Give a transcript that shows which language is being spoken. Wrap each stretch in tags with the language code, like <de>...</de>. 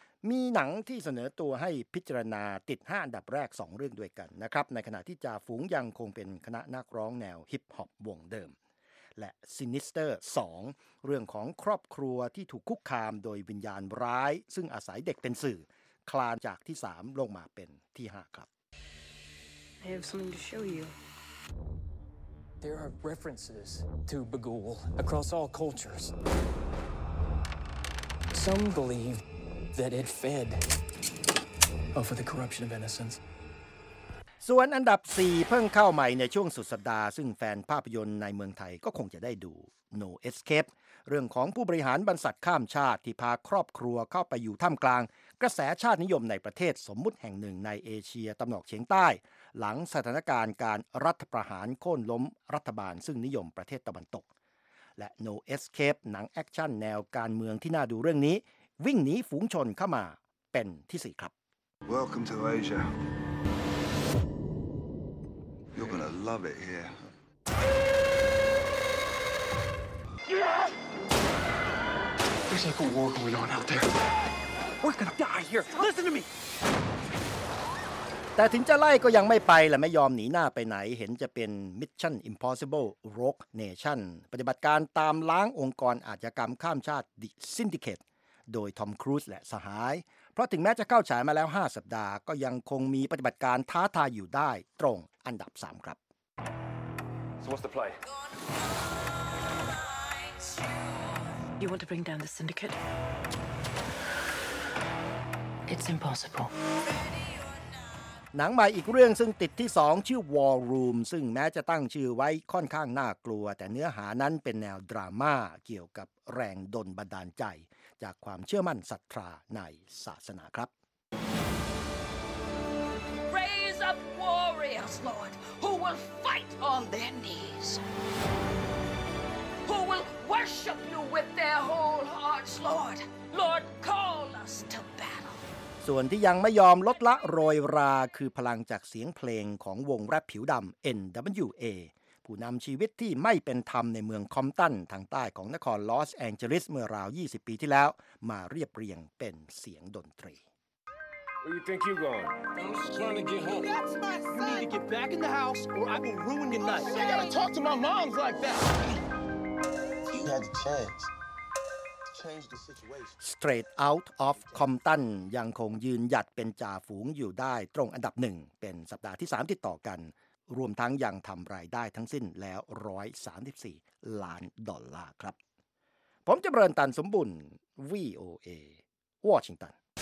<th>มีหนังที่เสนอตัวให้พิจารณาติด5อันดับแรก2เรื่องด้วยกันนะครับในขณะที่จ่าฝูงยังคงเป็นคณะนักร้องแนวฮิปฮอปวงเดิมและ Sinister 2เรื่องของครอบครัวที่ถูกคุกคามโดยวิญญาณร้ายซึ่งอาศัยเด็กเป็นสื่อคลานจากที่3ลงมาเป็นที่5ครับ</th> <en>I have something to show you There are references to Bagul across all cultures. Some believe that it fed off of the corruption of innocence.</en> <th>ส่วนอันดับ4เพิ่งเข้าใหม่ในช่วงสุดสัปดาห์ซึ่งแฟนภาพยนตร์ในเมืองไทยก็คงจะได้ดู No Escape เรื่องของผู้บริหารบรรษัทข้ามชาติที่พาครอบครัวเข้าไปอยู่ท่ามกลางกระแสชาตินิยมในประเทศสมมุติแห่งหนึ่งในเอเชียตะวันออกเฉียงใต้หลังสถานการณ์การรัฐประหารโค่นล้มรัฐบาลซึ่งนิยมประเทศตะวันตกและ No Escape หนังแอคชั่นแนวการเมืองที่น่าดูเรื่องนี้วิ่งหนีฝูงชนเข้ามาเป็นที่4ครับ</th> <en>Welcome to Asia You're gonna love it here There's like a war going on out there We're gonna die here Listen to me</en> <th>แต่ถึงจะไล่ก็ยังไม่ไปและไม่ยอมหนีหน้าไปไหนเห็นจะเป็น Mission Impossible Rogue Nation ปฏิบัติการตามล้างองค์กรอาชญากรรมข้ามชาติ The Syndicate โดยทอมครูซและสหายเพราะถึงแม้จะเข้าฉายมาแล้ว5สัปดาห์ก็ยังคงมีปฏิบัติการท้าทายอยู่ได้ตรงอันดับ3ครับ</th> <en>So what's the play? You want to bring down the syndicate? It's impossible</en> <th>หนังใหม่อีกเรื่องซึ่งติดที่2ชื่อ War Room ซึ่งแม้จะตั้งชื่อไว้ค่อนข้างน่ากลัวแต่เนื้อหานั้นเป็นแนวดราม่าเกี่ยวกับแรงดลบันดาลใจจากความเชื่อมั่นศรัทธาในศาสนาครับ</th> <en>Raise up warriors Lord who will fight on their knees Who will worship you with their whole hearts Lord Lord call us to battle</en> <th>ส่วนที่ยังไม่ยอมลดละโรยราคือพลังจากเสียงเพลงของวงแรปผิวดำ NWA ผู้นำชีวิตที่ไม่เป็นธรรมในเมืองคอมตันทางใต้ของนครลอสแองเจลิสเมื่อราว20ปีที่แล้วมาเรียบเรียงเป็นเสียงดนตรี</th> <en>Where you think you're going? I'm just trying to get home. That's my son! You need to get back in the house or I will ruin your night. I gotta talk to my moms like that! You had the chance.</en> <th>Straight Out of Compton ยังคงยืนหยัดเป็นจ่าฝูงอยู่ได้ตรงอันดับ1เป็นสัปดาห์ที่3ติดต่อกันรวมทั้งยังทำรายได้ทั้งสิ้นแล้ว134ล้านดอลลาร์ครับผมจะเริ่มตันสมบุญ VOA Washington</th>